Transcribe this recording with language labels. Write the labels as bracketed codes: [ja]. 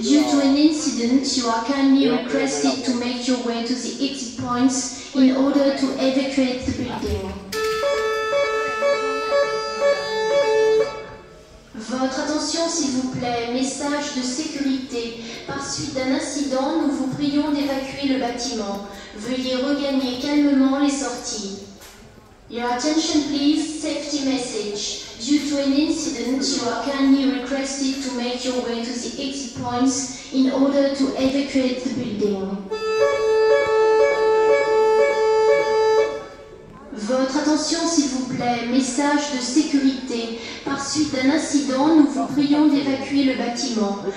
[en] Due to an incident, you are kindly requested to make your way to the exit points in order to evacuate the building. [fr] Votre attention s'il vous plaît, message de sécurité. Par suite d'un incident, nous vous prions d'évacuer le bâtiment. Veuillez regagner calmement les sorties. [en] Your attention please, safety message. Due to an incident, you are kindly requested to make your way to the exit points in order to evacuate the building. [fr] Votre attention s'il vous plaît, message de sécurité. Par suite d'un incident, nous vous prions d'évacuer le bâtiment.